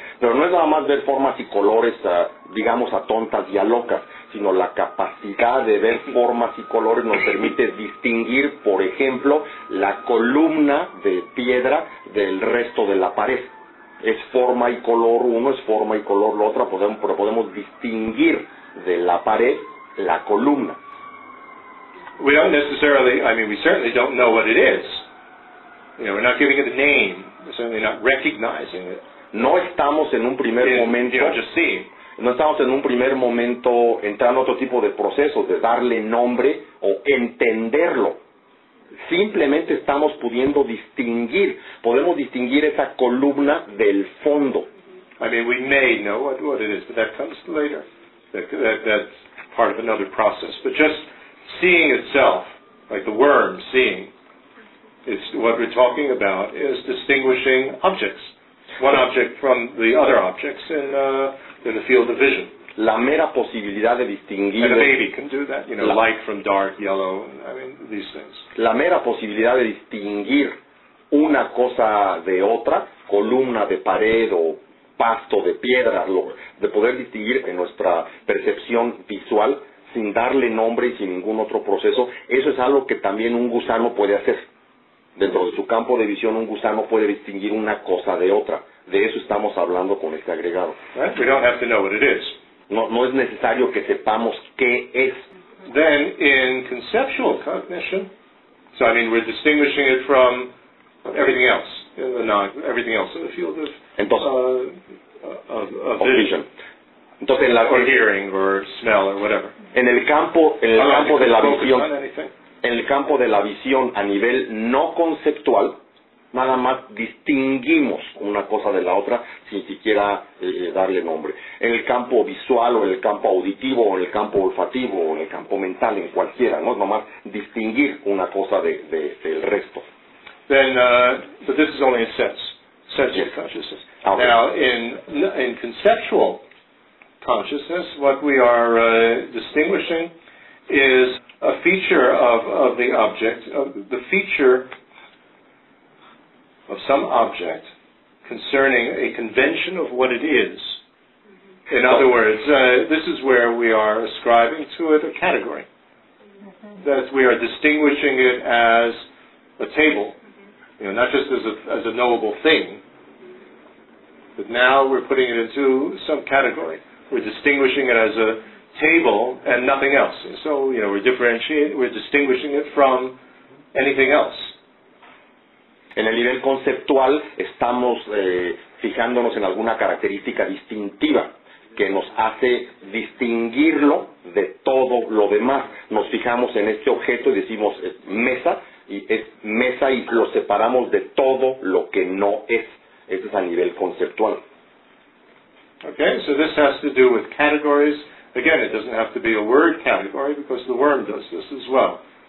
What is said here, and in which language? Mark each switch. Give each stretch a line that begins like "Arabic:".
Spanish: Pero no es nada más ver formas y colores, digamos, a tontas y a locas, sino la capacidad de ver formas y colores nos permite distinguir, por ejemplo, la columna de piedra del resto de la pared. Es forma y color uno, es forma y color la otra, pero podemos distinguir de la pared la columna.
English: We don't necessarily, I mean, we certainly don't know what it is. You know, we're not giving it a name. We're certainly not recognizing it.
Spanish: No estamos en un primer momento,
English: you know, just see.
Spanish: No estamos en un primer momento entrando a otro tipo de procesos de darle nombre o entenderlo. Simplemente estamos pudiendo distinguir, podemos distinguir esa columna del fondo.
English: I mean, we may know what it is, but that comes later. That's part of another process. But just seeing itself, like the worm seeing, it's what we're talking about is distinguishing objects. One object from the other objects in the field of vision.
Spanish: La mera posibilidad de distinguir.
English: And a baby can do that, you know, light from dark, yellow, I mean, these things.
Spanish: La mera posibilidad de distinguir una cosa de otra, columna de pared o pasto de piedra, de poder distinguir en nuestra percepción visual sin darle nombre y sin ningún otro proceso, eso es algo que también un gusano puede hacer. Dentro de su campo de visión, un gusano puede distinguir una cosa de otra. De eso estamos hablando con este agregado.
English: We don't have to know what it is.
Spanish: No es necesario que sepamos qué es.
English: Then, in conceptual cognition, so I mean, we're distinguishing it from everything else, everything else in the field of,
Spanish: entonces,
English: of vision.
Spanish: Entonces, en la,
English: or hearing, or smell, or whatever.
Spanish: En el campo de la visión. En el campo de la visión a nivel no conceptual, nada más distinguimos una cosa de la otra sin siquiera darle nombre. En el campo visual o en el campo auditivo o en el campo olfativo o en el campo mental, en cualquiera, no es nomás distinguir una cosa del resto.
English: Then, but this is only a sense yes. of consciousness. Okay. Now, in conceptual consciousness, what we are distinguishing is a feature of the object, of the feature of some object concerning a convention of what it is. In other words, this is where we are ascribing to it a category. That is, we are distinguishing it as a table, you know, not just as a knowable thing, but now we're putting it into some category. We're distinguishing it as a table and nothing else. And so, you know, we're distinguishing it from anything else.
Spanish: En el nivel conceptual estamos fijándonos en alguna característica distintiva que nos hace distinguirlo de todo lo demás. Nos fijamos en este objeto y decimos mesa, y es mesa y lo separamos de todo lo que no es. Eso es a nivel conceptual.
English: Okay, so this has to do with categories. Again, it doesn't have to be a word category because the worm does this as well.